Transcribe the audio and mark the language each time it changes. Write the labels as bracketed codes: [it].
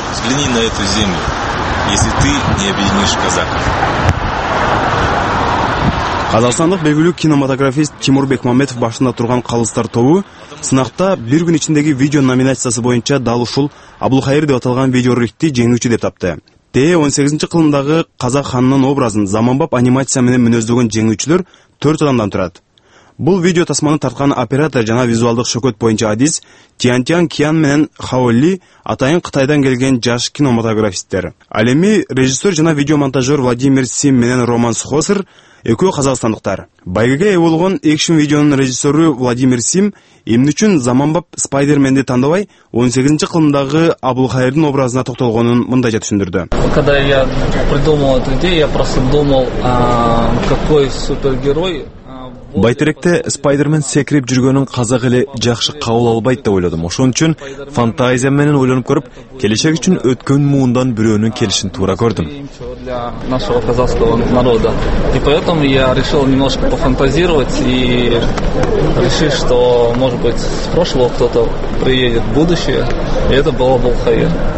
[ru] Взгляни на эту землю, если ты не объединишь казаков. [ky] Казакстандык белгилүү кинематографист Тимур Бекмаметов башында турган калыстар тобу сынакта бир күн ичиндеги видео номинациясы боюнча дал ушул Абылкайыр деп аталган видеороликти жеңүүчү деп тапты. Дээ 18 кылымдагы казак ханынын образын заманбап анимация менен мүнөздөгөн жеңүүчүлөр 4 адамдан турат. Бул видео тасманы тарткан оператор жана визуалдык шөкөт боюнча адис Тиантян Киан менен Хаоли атайын Кытайдан келген жаш кинематографисттер. Ал эми режиссер жана видеомонтажер Владимир Сим менен Роман Схосер экөө казакстандыктар. Байгеге ээ болгон экшен видеонун режиссеру Владимир Сим эмне үчүн заманбап Спайдерменди тандабай 18 кылымдагы Абылкайырдын образына токтолгонун мындайча түшүндүрдү. [ru] Когда я придумал эту идею, я просто думал, какой супергерой [ky] Байтеректе Спайдермен секреп жүргөнүн казак эле жакшы кабыл албайт деп ойлодум. Ошон үчүн фантазия менен ойлонуп көрүп, келечек үчүн өткөн муундан бирөөнүн келишин туура көрдүм. [ru] Нашего казахского народа. И поэтому я решил немножко пофантазировать и решил, что, может быть, с прошлого кто-то приедет в будущее, и это было бы хайр.